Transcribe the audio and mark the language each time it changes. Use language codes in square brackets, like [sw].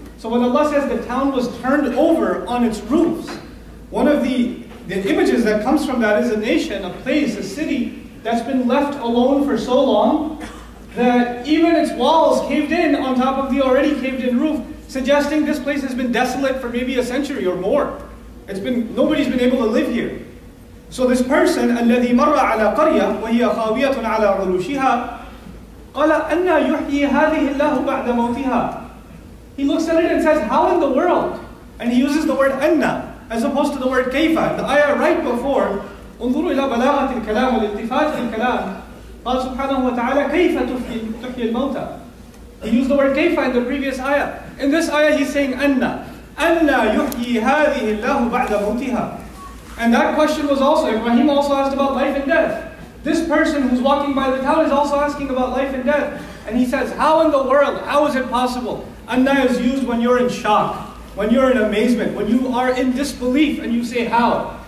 [en] So when Allah says the town was turned over on its roofs, one of the images that comes from that is a nation, a place, a city that's been left alone for so long that even its walls caved in on top of the already caved in roof, suggesting this place has been desolate for maybe a century or more. Nobody's been able to live here. So this person, [ar] الَّذِي مَرَّ عَلَىٰ قَرْيَةٍ وَهِيَ خَاوِيَةٌ عَلَىٰ عُرُوشِهَا قَالَ أَنَّا يُحْيِي هَذِهِ اللَّهُ بَعْدَ مَوْتِهَا. [en] He looks at it and says, how in the world? And he uses the word anna, as opposed to the word كيفا. The ayah right before, [ar] انظروا إلى بلاغة الكلام والالتفات في الكلام, قال سبحانه وتعالى كيفا تحيي الموتى. [en] He used the word كيفا in the previous ayah. In this ayah he's saying [ar] أَنَّا يُحْيِي هَذِهِ اللَّهُ بَعْدَ مُوتِهَا. [en] And that question was also, Ibrahim also asked about life and death. This person who's walking by the town is also asking about life and death. And he says, how in the world, how is it possible? أَنَّا is used when you're in shock, when you're in amazement, when you are in disbelief, and you say, how?